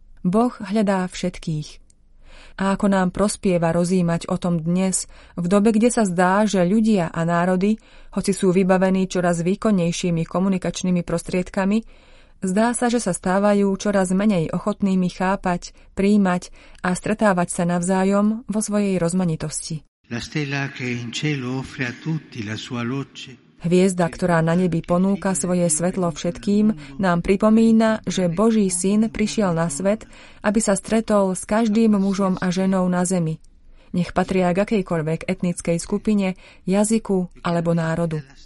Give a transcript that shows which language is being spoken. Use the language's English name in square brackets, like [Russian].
[Slovak] Boh hľadá všetkých. A ako nám prospieva rozjímať o tom dnes, v dobe, kde sa zdá, že ľudia a národy, hoci sú vybavení čoraz výkonnejšími komunikačnými prostriedkami, zdá sa, že sa stávajú čoraz menej ochotnými chápať, prijímať a stretávať sa navzájom vo svojej rozmanitosti. [Italian] La stella che in cielo offre a tutti la sua luce. [Slovak] Hviezda, ktorá na nebi ponúka svoje svetlo všetkým, nám pripomína, že Boží syn prišiel na svet, aby sa stretol s každým mužom a ženou na zemi. Nech patria k akejkoľvek etnickej skupine, jazyku alebo národu.